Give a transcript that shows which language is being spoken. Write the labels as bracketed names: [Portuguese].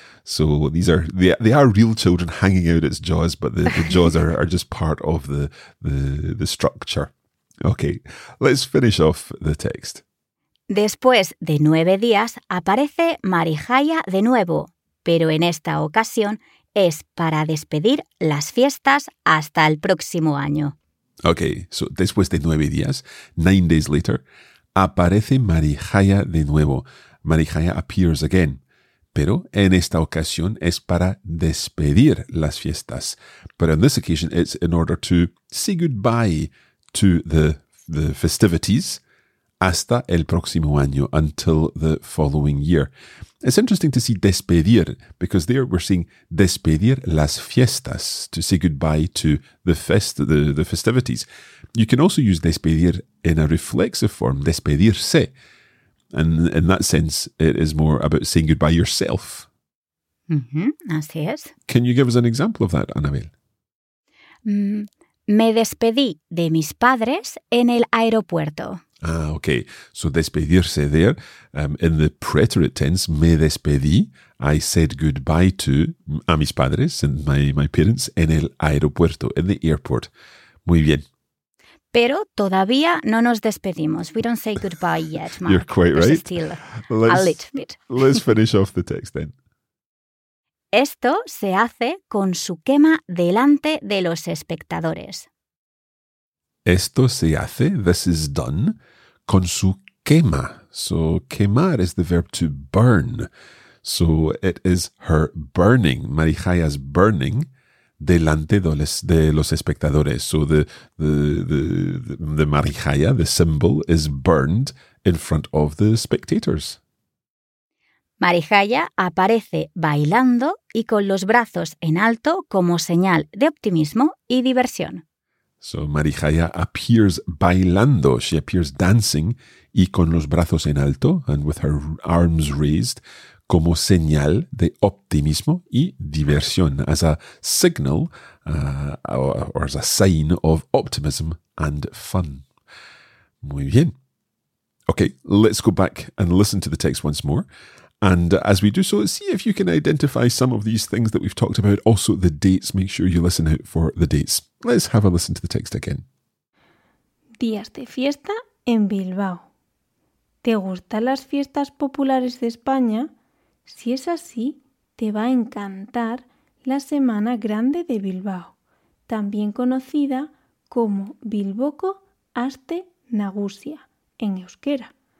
[English] So these are they are real children hanging out its jaws, but the jaws are just part of the structure. Okay, let's finish off the text. [Spanish] Después de 9 días aparece Marijaya de nuevo, pero en esta ocasión es para despedir las fiestas hasta el próximo año. [English] Okay, so [Spanish] después de 9 días, [English] 9 days later, [Spanish] aparece Marijaya de nuevo. [English] Marijaya appears again. [Spanish] Pero en esta ocasión es para despedir las fiestas. [English] But on this occasion, it's in order to say goodbye to the festivities [Spanish] hasta el próximo año, [English] until the following year. It's interesting to see despedir, because there we're seeing [Spanish] despedir las fiestas, [English] to say goodbye to the festivities. You can also use despedir in a reflexive form, despedirse. And in that sense, it is more about saying goodbye yourself. [Spanish] Mm-hmm, así es. [English] Can you give us an example of that, Anabel? [Spanish] Me despedí de mis padres en el aeropuerto. [English] Ah, okay. So despedirse there, in the preterite tense, [Spanish] me despedí, [English] I said goodbye to [Spanish] a mis padres [English] and my parents [Spanish] en el aeropuerto, [English] in the airport. [Spanish] Muy bien. Pero todavía no nos despedimos. [English] We don't say goodbye yet, Mark. You're quite There's right. Still let's, a little bit. Let's finish off the text then. [Spanish] Esto se hace con su quema delante de los espectadores. Esto se hace, [English] this is done, [Spanish] con su quema. [English] So quemar is the verb to burn. So it is her burning, Marijaya's burning, [Spanish] delante de los espectadores. [English] So the Marijaya, the symbol, is burned in front of the spectators. [Spanish] Marijaya aparece bailando y con los brazos en alto como señal de optimismo y diversión. [English] So Marijaya appears bailando. She appears dancing [Spanish] y con los brazos en alto [English] and with her arms raised [Spanish] como señal de optimismo y diversión, [English] as a signal or as a sign of optimism and fun. [Spanish] Muy bien. [English] Okay, let's go back and listen to the text once more. And as we do so, see if you can identify some of these things that we've talked about. Also, the dates. Make sure you listen out for the dates. Let's have a listen to the text again. [Spanish] Días de fiesta en Bilbao. ¿Te gustan las fiestas populares de España? Si es así, te va a encantar la Semana Grande de Bilbao, también conocida como Bilboko Aste Nagusia en euskera.